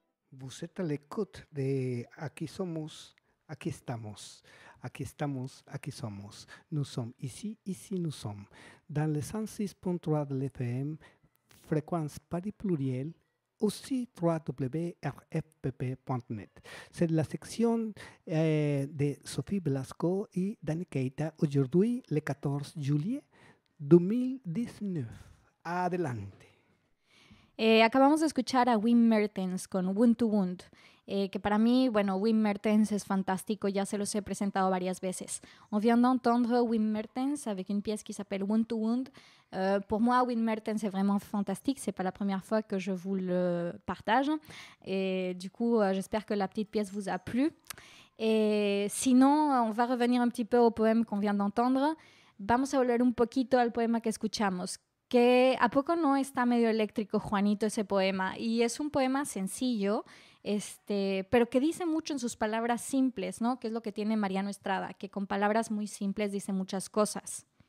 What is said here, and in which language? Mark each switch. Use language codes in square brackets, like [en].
[fr] Buseta Lecut de Aquí Somos, Aquí Estamos, Aquí Estamos, Aquí Somos, Nous Sommes Ici, Ici Nous Sommes, dans le 106.3 de l'FM, Fréquence Paris Pluriel, aussi www.rfpp.net. C'est la section de Sophie Blasco et Dani Keita, aujourd'hui le 14 juillet 2019. [es] Adelante. Acabamos de escuchar a Wim Mertens con Wound to Wound, que para mí, bueno, Wim Mertens es fantástico, ya se los he presentado varias veces. [fr] On vient d'entendre Wim Mertens avec une pièce qui s'appelle Wound to Wound. Pour moi, Wim Mertens est vraiment fantastique, c'est pas la première fois que je vous le partage. Et du coup, j'espère que la petite pièce vous a plu. Et sinon, on va revenir un petit peu au poème qu'on vient d'entendre. [es] Vamos a volver un poquito al poema que escuchamos. Que a poco no está medio eléctrico, Juanito, ese poema. Y es un poema sencillo, pero que dice mucho en sus palabras simples, ¿no? Que es lo que tiene Mariano Estrada, que con palabras muy simples dice muchas cosas.